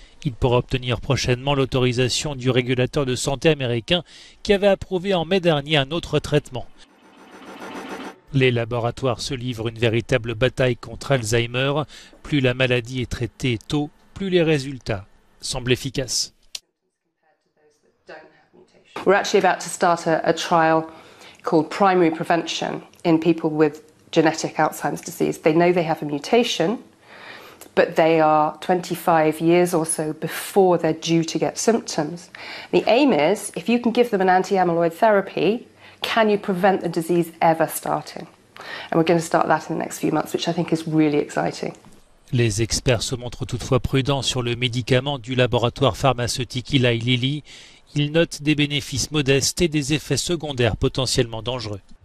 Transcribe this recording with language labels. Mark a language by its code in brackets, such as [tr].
[fr] Il pourra obtenir prochainement l'autorisation du régulateur de santé américain qui avait approuvé en mai dernier un autre traitement. Les laboratoires se livrent une véritable bataille contre Alzheimer. Plus la maladie est traitée tôt, plus les résultats semble efficace. [en] We're actually about to start a trial called primary prevention in people with genetic Alzheimer's disease. They know they have a mutation, but they are 25 years or so before they're due to get symptoms. The aim is, if you can give them an anti-amyloid therapy, can you prevent the disease ever starting? And we're going to start that in the next few months, which I think is really exciting. [fr] Les experts se montrent toutefois prudents sur le médicament du laboratoire pharmaceutique Eli Lilly. Ils notent des bénéfices modestes et des effets secondaires potentiellement dangereux.